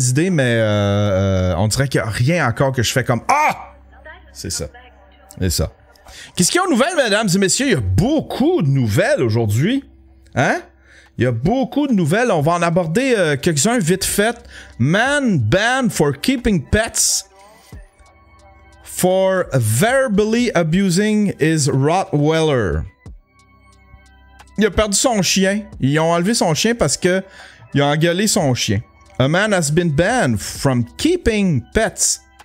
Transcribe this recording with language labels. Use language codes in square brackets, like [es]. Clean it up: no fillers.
[fr] Mais on dirait qu'il y a rien encore que je fais comme... Ah! C'est ça. Qu'est-ce qu'il y a aux nouvelles, mesdames et messieurs? Il y a beaucoup de nouvelles aujourd'hui. Hein? Il y a beaucoup de nouvelles. On va en aborder quelques-uns vite fait. [en] Man banned for keeping pets... For verbally abusing his Rottweiler. [fr] Il a perdu son chien. Ils ont enlevé son chien parce que il a engueulé son chien. [en] A man has been banned from keeping pets.